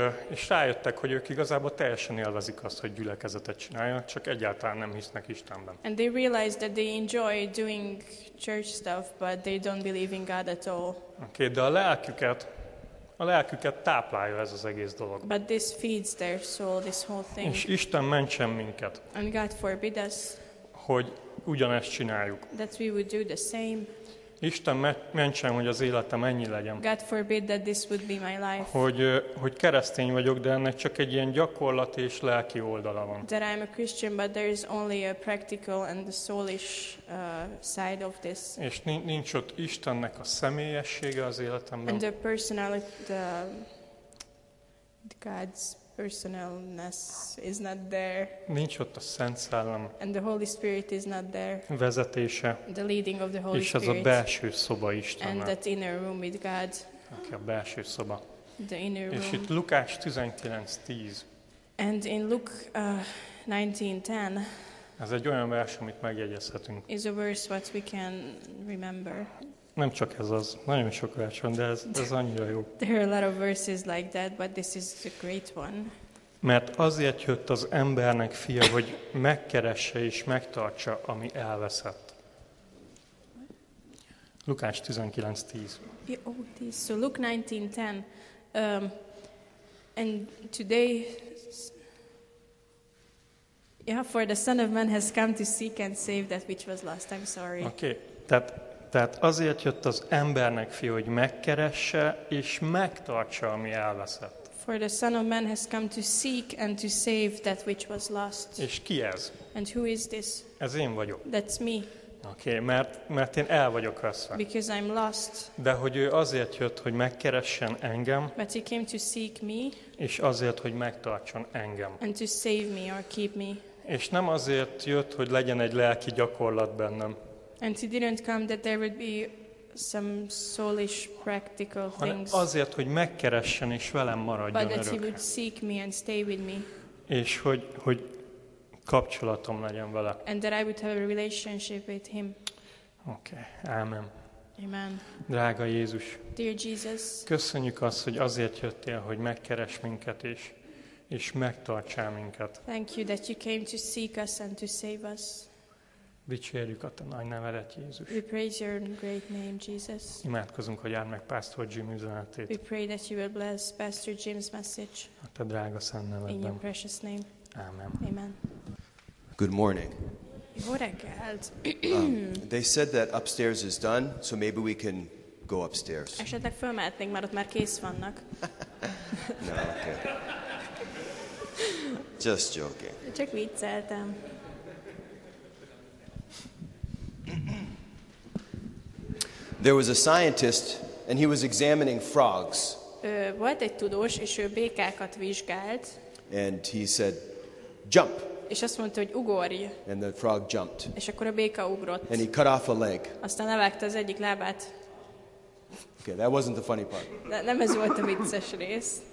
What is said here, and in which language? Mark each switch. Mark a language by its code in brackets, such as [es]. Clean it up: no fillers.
[hu] És rájöttek, hogy ők igazából teljesen élvezik azt, hogy gyülekezetet csinálnak, csak egyáltalán nem hisznek Istenben. [en] And they realized that they enjoy doing church stuff, but they don't believe in God at all. [hu] Oké, de a lelküket táplálja ez az egész dolog. [en] But this feeds their soul, this whole thing. [hu] És Isten mentsen minket. [en] And God forbid us. [hu] Hogy ugyanezt csináljuk. [en] That we would do the same. [hu] Isten mentsen, hogy az életem ennyi legyen. [en] God forbid that this would be my life. [hu] Hogy keresztény vagyok, de ennek csak egy ilyen gyakorlati és lelki oldala van. [en] That I'm a Christian, but there is only a practical and the soulish side of this. [hu] És nincs ott Istennek a személyessége az életemben. [en] And the personality, God's personalness is not there. [hu] Nincs ott a Szent Szellem. [en] And the Holy Spirit is not there. [hu] Vezetése. [en] The leading of the Holy Spirit. [hu] És az a belső szoba Istennel. [en] And that inner room with God. [hu] Okay, a belső szoba. [en] The inner room. [hu] És itt Lukács 19:10. [en] And in Luke 19:10. [hu] Ez egy olyan vers, amit megjegyezhetünk. [en] Is a verse what we can remember. [hu] Nem csak ez az, nagyon sok vers van, de ez annyira jó. [en] There are a lot of verses like that, but this is a great one. [hu] Mert azért jött az embernek fia, hogy megkeresse és megtartsa, ami elveszett. Lukács 19:10. [en] Yeah, oh, this. So Luke 19:10. And today, yeah, for the Son of Man has come to seek and save that which was lost. I'm sorry. [hu] Okay, Tehát azért jött az embernek fia, hogy megkeresse és megtartsa, ami elveszett. [en] For the Son of Man has come to seek and to save that which was lost. [hu] És ki ez? [en] And who is this? [hu] Ez én vagyok. [en] That's me. [hu] Okay, mert én el vagyok veszve. [en] Because I'm lost. [hu] De hogy ő azért jött, hogy megkeressen engem. [en] But he came to seek me. [hu] És azért, hogy megtartson engem. [en] And to save me or keep me. [hu] És nem azért jött, hogy legyen egy lelki gyakorlat bennem. [en] And he didn't come that there would be some soulish practical things. [hu] Azért, hogy megkeressen és velem maradjon örökre. [en] But that he would seek me and stay with me. [hu] És hogy kapcsolatom legyen vele. [en] And that I would have a relationship with him. Okay. Amen. Amen. [hu] Drága Jézus. [en] Dear Jesus. [hu] Köszönjük azt, hogy azért jöttél, hogy megkeress minket is, és megtartsál minket. [en] Thank you that you came to seek us and to save us. [hu] Dicsérjük a te nagy nevedet, Jézus. [en] We praise your great name, Jesus. [hu] Imádkozunk, hogy áld meg Pastor Jim üzenetét. [en] We pray that you will bless Pastor Jim's message. [hu] A te drága szent nevedben. [en] In your precious name. Amen. Amen. Good morning. [hu] Jó reggelt. [en] They said that upstairs is done, so maybe we can go upstairs. [hu] Esetleg fölmehetnénk, mert ott már kész vannak. [en] No, okay. Just joking. [hu] Csak vicceltem. [en] There was a scientist, and he was examining frogs. [hu] Volt egy tudós, és ő békákat vizsgált. [en] And he said, jump. [hu] És azt mondta, hogy ugorj. [en] And the frog jumped. [hu] És akkor a béka ugrott. [en] And he cut off a leg. [hu] Aztán levágta az egyik lábát. [en] Okay, that wasn't the funny part. [hu] Nem ez volt a vicces rész.